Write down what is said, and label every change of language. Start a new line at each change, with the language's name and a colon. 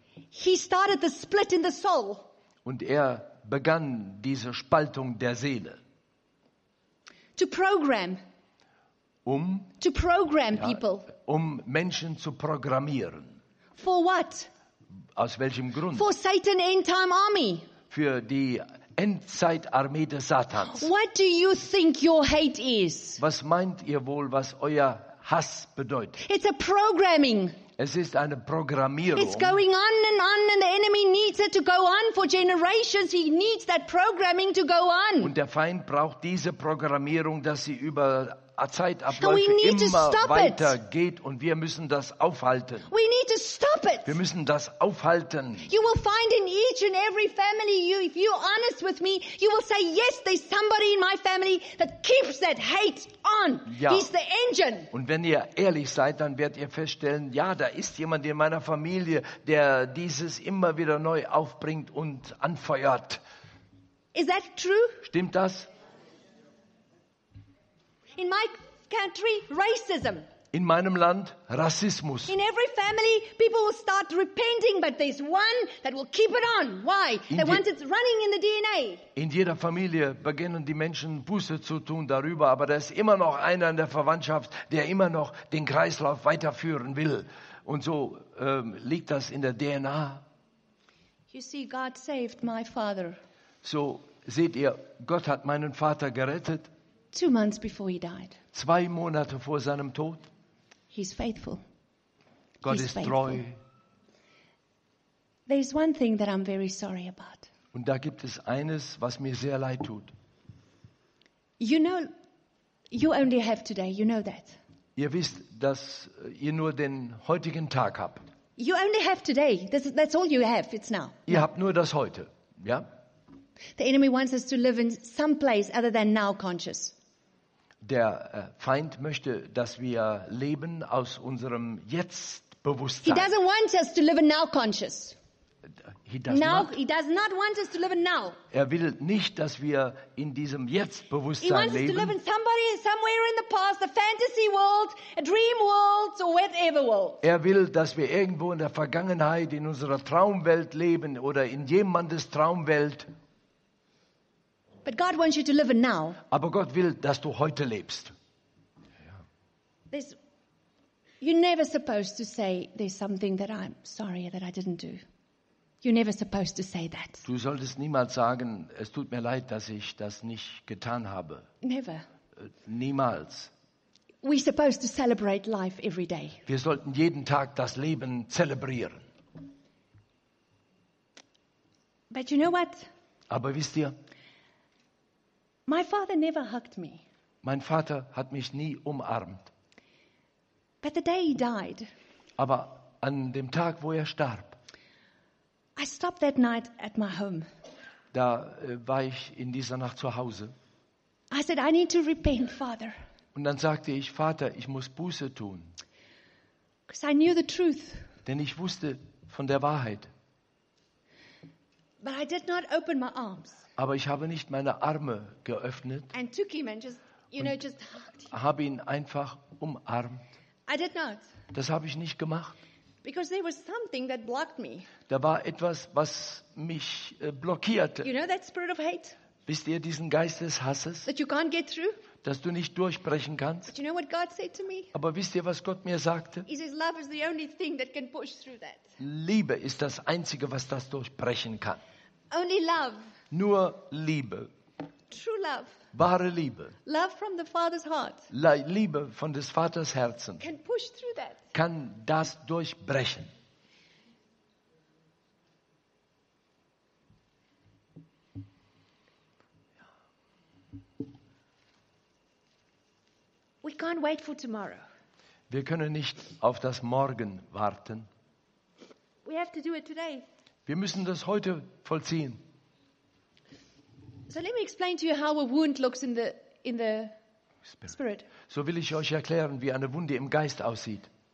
English: He started the split in the soul.
German: Und er begann diese Spaltung der Seele.
English: To program.
German: Um.
English: To program people.
German: Um Menschen zu programmieren.
English: For what?
German: Aus welchem Grund?
English: For Satan End Time Army.
German: Für die Endzeitarmee des Satans.
English: What do you think your hate is?
German: Was meint ihr wohl, was euer Hass bedeutet?
English: It's a programming.
German: Es ist eine Programmierung.
English: It's going on, and the enemy needs it to go on for generations. He needs that programming to go on.
German: Und der Feind braucht diese Programmierung, dass sie über Zeitabläufe immer weitergeht, und wir müssen das aufhalten.
English: We need to stop it.
German: Wir müssen das aufhalten.
English: You will find in each and every family, if you're honest with me, you will say, yes, there's somebody in my family that keeps that hate on.
German: Ja.
English: He's the engine.
German: Und wenn ihr ehrlich seid, dann werdet ihr feststellen, ja, da ist jemand in meiner Familie, der dieses immer wieder neu aufbringt und anfeuert.
English: Is that true?
German: Stimmt das?
English: In my country, racism.
German: In meinem Land, Rassismus.
English: In every family, people will start repenting, but there's one that will keep it on. Why? They want it running in the DNA.
German: In jeder Familie beginnen die Menschen Buße zu tun darüber, aber da ist immer noch einer in der Verwandtschaft, der immer noch den Kreislauf weiterführen will. Und so liegt das in der DNA.
English: You see, God saved my father.
German: So seht ihr, Gott hat meinen Vater gerettet.
English: 2 months before he died.
German: 2 Monate vor seinem Tod.
English: He's faithful.
German: Gott ist treu.
English: There's one thing that I'm very sorry about.
German: Und da gibt es eines, was mir sehr leid tut.
English: You know, you only have today. You know that.
German: Ihr wisst, dass ihr nur den heutigen Tag habt.
English: You only have today. That's all you have. It's now.
German: Ihr habt nur das heute, ja?
English: The enemy wants us to live in some place other than now conscious.
German: Der Feind möchte, dass wir leben aus unserem Jetzt-Bewusstsein.
English: He doesn't want us to live in now conscious. He does not want us to live in now.
German: Er will nicht, dass wir in diesem Jetzt-Bewusstsein leben.
English: He wants us to live in somebody somewhere in the past, a fantasy world, a dream world, or whatever world.
German: Er will, dass wir irgendwo in der Vergangenheit in unserer Traumwelt leben oder in jemandes Traumwelt.
English: But God wants you to live in now.
German: Aber Gott will, dass du heute lebst.
English: There's, you're never supposed to say there's something that I'm sorry that I didn't do. You're never supposed to say that.
German: Du solltest niemals sagen, es tut mir leid, dass ich das nicht getan habe.
English: Never.
German: Niemals.
English: We're supposed to celebrate life every day.
German: Wir sollten jeden Tag das Leben zelebrieren.
English: But you know what?
German: Aber wisst ihr?
English: My father never hugged me.
German: Mein Vater hat mich nie umarmt.
English: But the day he died.
German: Aber an dem Tag, wo er starb.
English: I stopped that night at my home.
German: Da war ich in dieser Nacht zu Hause.
English: I said, I need to repent, Father.
German: Und dann sagte ich, Vater, ich muss Buße tun.
English: 'Cause I knew the truth.
German: Denn ich wusste von der Wahrheit.
English: But I did not open my arms.
German: Aber ich habe nicht meine Arme geöffnet
English: and took him and just, you know, just hugged him.
German: Habe ihn einfach umarmt.
English: I did not.
German: Das habe ich nicht gemacht.
English: Because there was something that blocked me.
German: Da war etwas, was mich blockierte.
English: You know that spirit of hate?
German: Wisst ihr diesen Geist des Hasses?
English: That you can't get through?
German: Dass du nicht durchbrechen kannst?
English: But you know what God said to me?
German: Aber wisst ihr, was Gott mir sagte?
English: He says, love is the only thing that can push through that.
German: Liebe ist das Einzige, was das durchbrechen kann.
English: Only love.
German: Nur Liebe.
English: True love.
German: Wahre Liebe.
English: Love from the Father's heart.
German: Liebe von des Vaters Herzen.
English: Can push through that.
German: Kann das durchbrechen.
English: We can't wait for tomorrow.
German: Wir können nicht auf das Morgen warten.
English: We have to do it today.
German: Wir müssen das heute vollziehen.
English: So let me explain to you how a wound looks in the spirit.
German: So will ich euch erklären, wie eine Wunde im Geist aussieht.